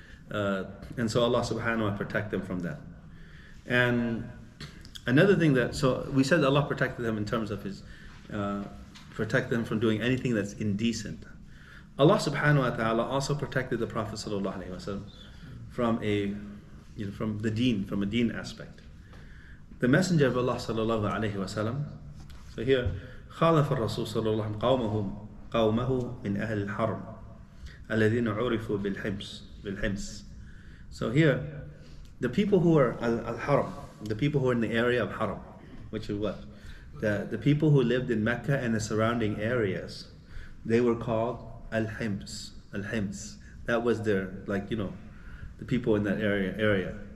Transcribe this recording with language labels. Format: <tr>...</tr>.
<en>And so Allah subhanahu wa ta'ala protect them from that. And another thing that, so we said Allah protected them in terms of his, protect them from doing anything that's indecent. Allah subhanahu wa ta'ala also protected the Prophet sallallahu alaihi wasallam from a, you know, from a deen aspect. The Messenger of Allah sallallahu alaihi wasallam, so here,</en> <ar>خالف الرسول صلى الله عليه وسلم قومه من أهل الحرم الذين عرفوا بالحمس.</ar> <en>So here, the people who are al-haram, the people who are in the area of haram, which is what? The people who lived in Mecca and the surrounding areas, they were called al-hims, al-hims. That was their, like, you know, the people in that area.</en>